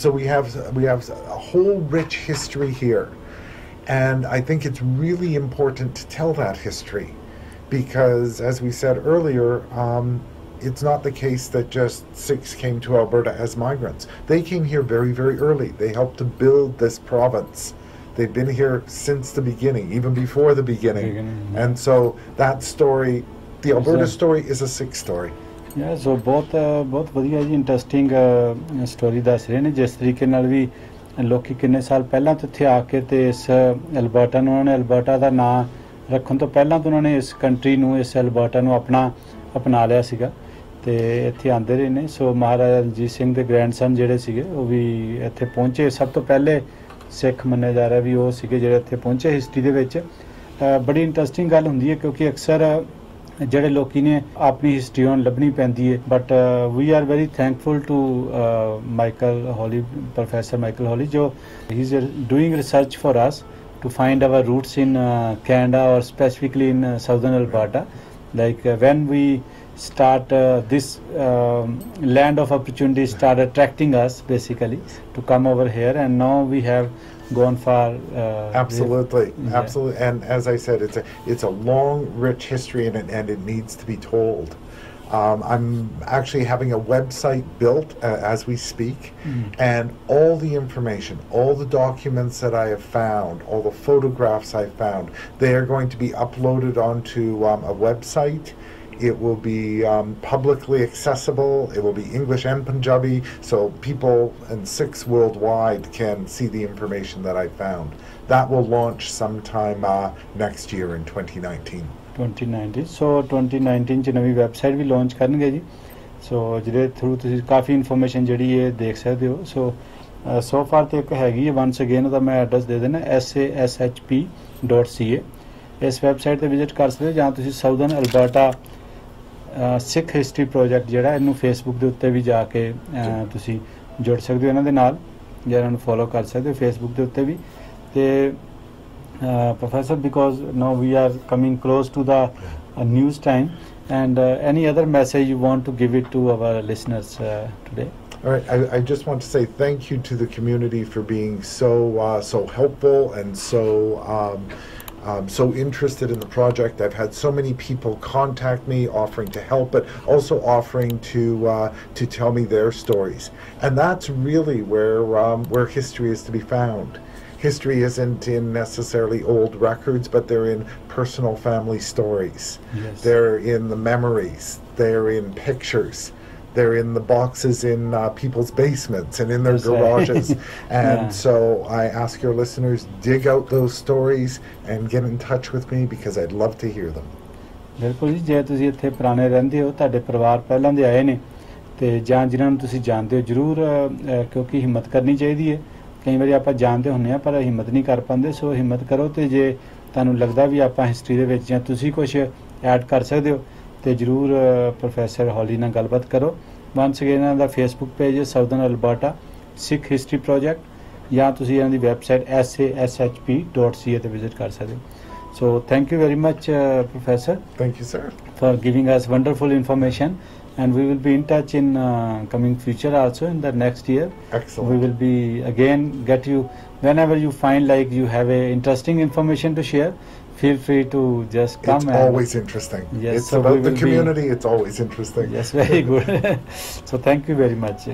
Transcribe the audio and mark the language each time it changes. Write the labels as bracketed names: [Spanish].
[English] So we have a whole rich history here, and I think it's really important to tell that history, because as we said earlier, it's not the case that just Sikhs came to Alberta as migrants. They came here very, very early. They helped to build this province. They've been here since the beginning, even before the beginning. And so that story, the Alberta story, is a Sikh story. [Punjabi] Yeah, so ਬਹੁਤ ਵਧੀਆ ਜੀ interesting story ਦੱਸ ਰਹੇ ਨੇ ਜਿਸ ਤਰੀਕੇ ਨਾਲ ਵੀ ਲੋਕ ਕਿੰਨੇ ਸਾਲ ਪਹਿਲਾਂ ਤੋਂ ਇੱਥੇ ਆ ਕੇ ਅਤੇ ਇਸ ਅਲਬਰਟਾ ਨੂੰ ਉਹਨਾਂ ਨੇ ਅਲਬਰਟਾ ਦਾ ਨਾਂ ਰੱਖਣ ਤੋਂ ਪਹਿਲਾਂ ਤੋਂ ਉਹਨਾਂ ਨੇ ਇਸ ਕੰਟਰੀ ਨੂੰ ਇਸ ਅਲਬਰਟਾ ਨੂੰ ਆਪਣਾ ਅਪਣਾ ਲਿਆ ਸੀਗਾ ਅਤੇ ਇੱਥੇ ਆਉਂਦੇ ਰਹੇ ਨੇ ਸੋ ਮਹਾਰਾਜਾ ਰਣਜੀਤ ਸਿੰਘ ਦੇ ਗ੍ਰੈਂਡਸਨ ਜਿਹੜੇ ਸੀਗੇ ਉਹ ਵੀ ਇੱਥੇ ਪਹੁੰਚੇ ਸਭ ਤੋਂ ਪਹਿਲੇ ਸਿੱਖ ਮੰਨਿਆ ਜਾ ਰਿਹਾ ਵੀ ਉਹ ਸੀਗੇ ਜਿਹੜੇ ਇੱਥੇ ਪਹੁੰਚੇ ਹਿਸਟਰੀ ਦੇ ਵਿੱਚ ਬੜੀ ਇੰਟਰਸਟਿੰਗ ਗੱਲ ਹੁੰਦੀ ਹੈ ਕਿਉਂਕਿ ਅਕਸਰ ਜਿਹੜੇ ਲੋਕ ਨੇ ਆਪਣੀ ਹਿਸਟਰੀ ਹੁਣ ਲੱਭਣੀ ਪੈਂਦੀ ਹੈ [English] But we are very thankful to Michael Hawley professor Michael Hawley ਜੋ he is doing research for us to find our roots in Canada or specifically in southern Alberta like when we start this land of opportunity start attracting us basically to come over here and now we have gone far. Absolutely. Yeah. Absolutely. And as I said, it's a long, rich history, and it needs to be told. I'm actually having a website built as we speak, and all the information, all the documents that I have found, all the photographs I found, they are going to be uploaded onto a website. It will be publicly accessible. It will be English and Punjabi, so people and Sikhs worldwide can see the information that I found. That will launch sometime next year in 2019. [Punjabi] So 2019 ਚ ਨਵੀਂ website ਵੀ launch ਕਰਨਗੇ ਜੀ ਸੋ ਜਿਹਦੇ through ਤੁਸੀਂ ਕਾਫੀ information ਜਿਹੜੀ ਹੈ ਦੇਖ ਸਕਦੇ ਹੋ ਸੋ ਸੋ ਫਾਰ ਤੇ ਇੱਕ ਹੈਗੀ ਹੈ ਵਾਂਸ ਅਗੇਨ ਉਹਦਾ ਮੈਂ ਐਡਰੈਸ ਦੇ ਦੇਣਾ sashp.ca ਇਸ ਵੈਬਸਾਈਟ 'ਤੇ ਵਿਜ਼ਿਟ ਕਰ ਸਕਦੇ ਹੋ ਜਾਂ ਤੁਸੀਂ ਸਾਊਦਰਨ ਅਲਬਰਟਾ ਸਿੱਖ ਹਿਸਟਰੀ ਪ੍ਰੋਜੈਕਟ ਜਿਹੜਾ ਇਹਨੂੰ ਫੇਸਬੁੱਕ ਦੇ ਉੱਤੇ ਵੀ ਜਾ ਕੇ ਤੁਸੀਂ ਜੁੜ ਸਕਦੇ ਹੋ ਇਹਨਾਂ ਦੇ ਨਾਲ ਜਾਂ ਇਹਨਾਂ ਨੂੰ ਫੋਲੋ ਕਰ ਸਕਦੇ ਹੋ ਫੇਸਬੁੱਕ ਦੇ ਉੱਤੇ ਵੀ ਅਤੇ professor [English] Because now we are coming close to the news time and any other message you want to give it to our listeners today All right. I just want to say thank you to the community for being so helpful and so So interested in the project. I've had so many people contact me offering to help, but also offering to tell me their stories. And that's really where history is to be found. History isn't in necessarily old records, but they're in personal family stories. Yes. They're in the memories. They're in pictures. They're in the boxes in people's basements and in their garages. And yeah. So I ask your listeners, dig out those stories and get in touch with me because I'd love to hear them. [Punjabi] ਬਿਲਕੁਲ ਜੀ ਜੇ ਤੁਸੀਂ ਇੱਥੇ ਪੁਰਾਣੇ ਰਹਿੰਦੇ ਹੋ ਤੁਹਾਡੇ ਪਰਿਵਾਰ ਪਹਿਲਾਂ ਦੇ ਆਏ ਨੇ ਤੇ ਜਾਂ ਜਿਨ੍ਹਾਂ ਨੂੰ ਤੁਸੀਂ ਜਾਣਦੇ ਹੋ ਜ਼ਰੂਰ ਕਿਉਂਕਿ ਹਿੰਮਤ ਕਰਨੀ ਚਾਹੀਦੀ ਹੈ ਕਈ ਵਾਰੀ ਆਪਾਂ ਜਾਣਦੇ ਹੁੰਦੇ ਹਾਂ ਪਰ ਹਿੰਮਤ ਨਹੀਂ ਕਰ ਪਾਉਂਦੇ ਸੋ ਹਿੰਮਤ ਕਰੋ ਅਤੇ ਜੇ ਤੁਹਾਨੂੰ ਲੱਗਦਾ ਵੀ ਆਪਾਂ ਹਿਸਟਰੀ ਦੇ ਵਿੱਚ ਜਾਂ ਤੁਸੀਂ ਕੁਛ ਐਡ ਕਰ ਸਕਦੇ ਹੋ ਤੇ ਜ਼ਰੂਰ ਪ੍ਰੋਫੈਸਰ ਹੌਲੀ ਨਾਲ ਗੱਲਬਾਤ ਕਰੋ ਵਾਂਸ ਅਗੇਨ ਇਹਨਾਂ ਦਾ ਫੇਸਬੁੱਕ ਪੇਜ ਹੈ ਸਾਊਦਰਨ ਅਲਬਰਟਾ ਸਿੱਖ ਹਿਸਟਰੀ ਪ੍ਰੋਜੈਕਟ ਜਾਂ ਤੁਸੀਂ ਇਹਨਾਂ ਦੀ ਵੈਬਸਾਈਟ sashp.ca ਤੇ ਵਿਜ਼ਿਟ ਕਰ ਸਕਦੇ ਹੋ [English] So thank you very much professor thank you sir for giving us wonderful information and we will be in touch in coming future also in the next year excellent we will be again get you whenever you find like you have a interesting information to share Feel free to just come. It's always interesting. Yes, it's about the community. It's always interesting. Yes, very good. So thank you very much.